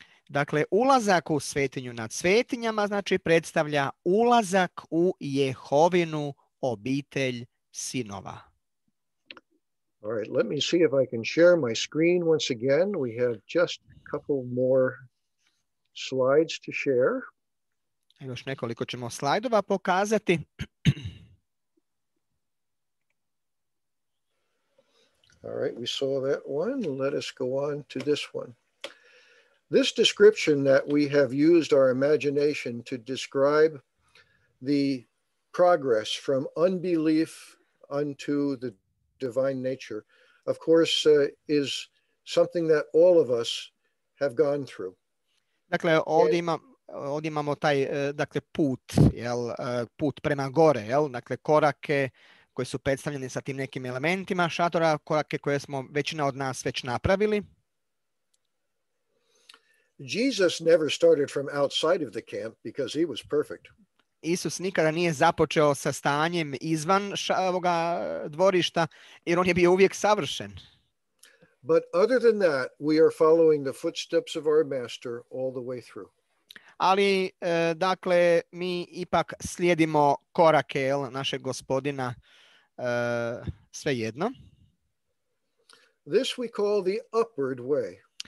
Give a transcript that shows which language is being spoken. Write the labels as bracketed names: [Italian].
[Croatian] Dakle, ulazak u svetinju nad svetinjama, znači, predstavlja ulazak u Jehovinu obitelj sinova. [English] All right, let me see if I can share my screen once again. We have just a couple more slides to share. [Croatian] Još nekoliko ćemo slajdova pokazati. [English] All right, we saw that one. Let us go on to this one. This description that we have used our imagination to describe the progress from unbelief unto the divine nature, of course, is something that all of us have gone through. [Croatian] Dakle, ovdje imamo taj, dakle, put, jel, put prema gore, jel, dakle, korake koje su predstavljene sa tim nekim elementima šatora, korake koje smo većina od nas već napravili. [English] Jesus never started from outside of the camp because he was perfect. [Croatian] Isus nikada nije započeo sa stanjem izvan ovoga dvorišta, jer on je bio uvijek savršen. [English] But other than that, we are following the footsteps of our master all the way through. [Croatian] Ali, dakle, mi ipak slijedimo korake, jel, našeg gospodina, svejedno. [English] This we call the upward way.